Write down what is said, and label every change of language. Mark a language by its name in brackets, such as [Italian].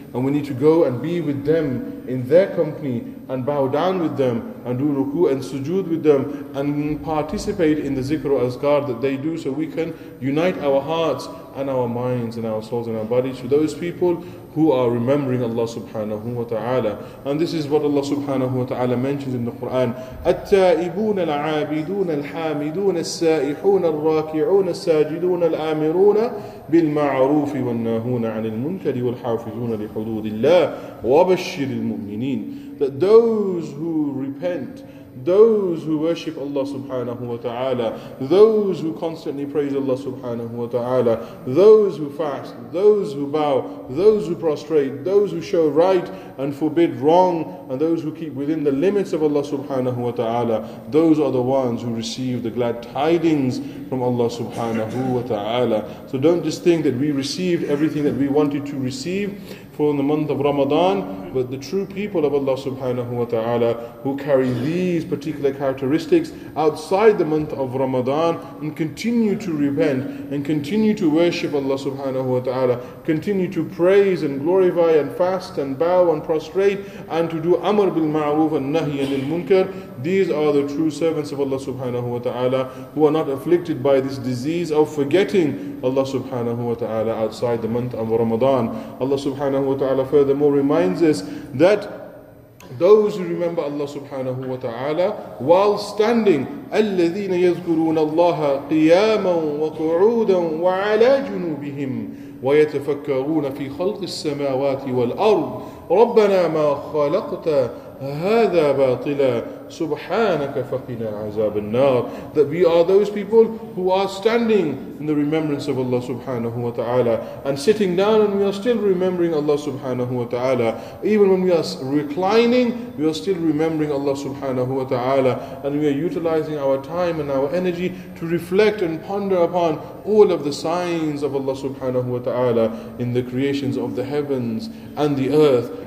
[English] And we need to go and be with them in their company and bow down with them and do ruku and sujood with them and participate in the zikr or azkar that they do, so we can unite our hearts and our minds and our souls and our bodies to those people who are remembering Allah subhanahu wa ta'ala. And this is what Allah subhanahu wa ta'ala mentions in the Quran. [Arabic] التائبون العابدون الحامدون السائحون الراكعون الساجدون الآمرون بالمعروف والناهون عن المنكر والحافظون لحدود الله وبشر المؤمنين. [English] That those who repent, those who worship Allah subhanahu wa ta'ala, those who constantly praise Allah subhanahu wa ta'ala, those who fast, those who bow, those who prostrate, those who show right and forbid wrong, and those who keep within the limits of Allah subhanahu wa ta'ala, those are the ones who receive the glad tidings from Allah subhanahu wa ta'ala. So don't just think that we received everything that we wanted to receive for the month of Ramadan, but the true people of Allah subhanahu wa ta'ala who carry these particular characteristics outside the month of Ramadan and continue to repent and continue to worship Allah subhanahu wa ta'ala, continue to praise and glorify and fast and bow and prostrate and to do amr bil ma'ruf and nahi anil munkar, these are the true servants of Allah subhanahu wa ta'ala who are not afflicted by this disease of forgetting Allah subhanahu wa ta'ala outside the month of Ramadan. Allah subhanahu wa ta'ala furthermore reminds us that those who remember Allah subhanahu wa ta'ala while standing, [Arabic] الَّذِينَ يَذْكُرُونَ اللَّهَ قِيَامًا وَقُعُودًا وَعَلَى جُنُوبِهِمْ وَيَتَفَكَّرُونَ فِي خَلْقِ السَّمَاوَاتِ وَالْأَرْضِ رَبَّنَا مَا خَلَقْتَ هَذَا بَاطِلًا سُبْحَانَكَ فَقِنَا عَذَابَ النَّارِ. [English] That we are those people who are standing in the remembrance of Allah subhanahu wa ta'ala and sitting down, and we are still remembering Allah subhanahu wa ta'ala. Even when we are reclining, we are still remembering Allah subhanahu wa ta'ala, and we are utilizing our time and our energy to reflect and ponder upon all of the signs of Allah subhanahu wa ta'ala in the creations of the heavens and the earth.